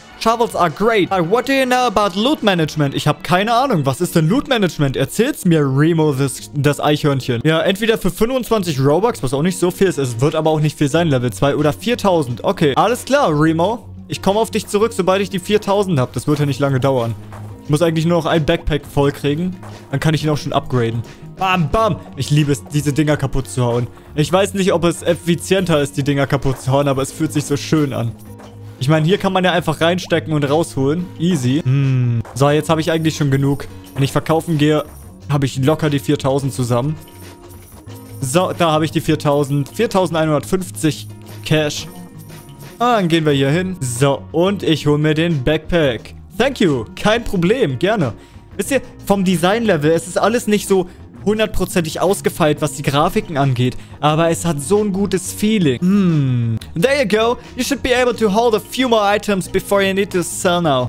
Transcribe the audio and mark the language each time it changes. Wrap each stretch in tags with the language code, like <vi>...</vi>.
<en>Shovels are great, but what do you know about Loot Management?</en> <de>Ich habe keine Ahnung, was ist denn Loot Management? Erzähl's mir, Remo, das Eichhörnchen. Ja, entweder für 25 Robux, was auch nicht so viel ist, es wird aber auch nicht viel sein, Level 2 oder 4000. Okay, alles klar, Remo. Ich komme auf dich zurück, sobald ich die 4000 habe. Das wird ja nicht lange dauern. Ich muss eigentlich nur noch ein Backpack vollkriegen. Dann kann ich ihn auch schon upgraden. Bam, bam. Ich liebe es, diese Dinger kaputt zu hauen. Ich weiß nicht, ob es effizienter ist, die Dinger kaputt zu hauen, aber es fühlt sich so schön an. Ich meine, hier kann man ja einfach reinstecken und rausholen. Easy. So, jetzt habe ich eigentlich schon genug. Wenn ich verkaufen gehe, habe ich locker die 4000 zusammen. So, da habe ich die 4000. 4150 Cash. Dann gehen wir hier hin. So, und ich hole mir den Backpack. Thank you. Kein Problem. Gerne. Wisst ihr, vom Design-Level, es ist alles nicht so hundertprozentig ausgefeilt, was die Grafiken angeht. Aber es hat so ein gutes Feeling. There you go.</de> <en>You should be able to hold a few more items before you need to sell now.</en>